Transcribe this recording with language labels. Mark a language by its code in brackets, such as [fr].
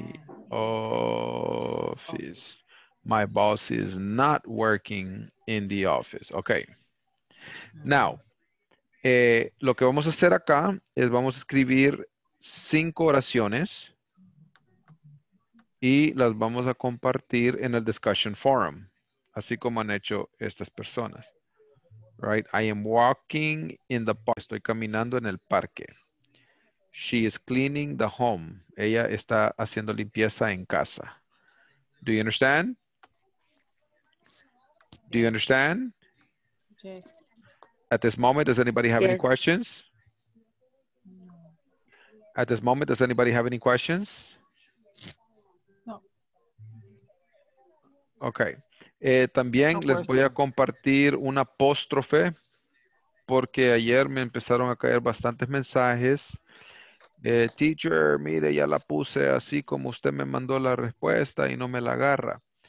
[en] My boss is not working in the office. My boss is not working in the office. Okay. [es] Now, lo que vamos a hacer acá es vamos a escribir 5 oraciones y las vamos a compartir en el discussion forum, así como han hecho estas personas. [en] Right? I am walking in the park. [es] Estoy caminando en el parque. [en] She is cleaning the home. [es] Ella está haciendo limpieza en casa. [en] Do you understand? Do you understand? Yes. At this moment, does anybody have any questions? At this moment, does anybody have any questions? No. Okay. [es] También les voy a compartir un apóstrofe porque ayer me empezaron a caer bastantes mensajes. Teacher, mire, ya la puse así como usted me mandó la respuesta y no me la agarra.